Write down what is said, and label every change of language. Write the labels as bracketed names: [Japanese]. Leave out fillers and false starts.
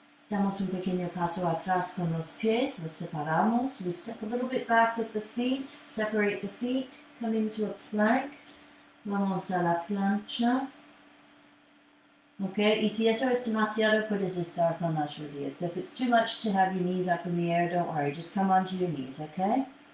[Spanish] Damos un pequeño paso atrás con los pies, los separamos. [English] We step a little bit back with the feet, separate the feet, come into a plank. [Spanish] Vamos a la plancha. Okay, y si eso es demasiado, puedes estar con las rodillas. [English] If it's too much to have your knees up in the air, don't worry, just come onto your knees, okay?